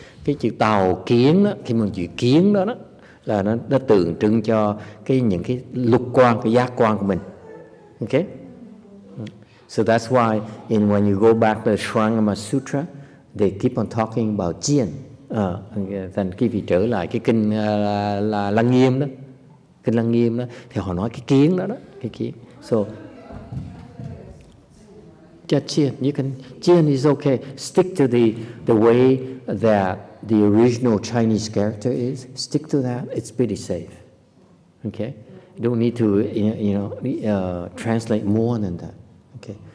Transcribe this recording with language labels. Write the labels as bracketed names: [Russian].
[Vietnamese] Cái chữ tàu kiến đó, khi mà chữ kiến đó, là nó tượng trưng cho cái những cái lục quan, cái giác quan của mình. [English] Okay? So that's why in when you go back to the Shwangama Sutra, they keep on talking about Jian. [Vietnamese] Thành khi vị trở lại cái kinh là Lăng Nghiêm đó, kinh Lăng Nghiêm đó, thì họ nói cái kiến đó đó, cái kiến. [English] So, just Jian, you can, Jian is okay. Stick to the way that the original Chinese character is, stick to that, it's pretty safe. Okay? You don't need to, you know, translate more than that. Okay?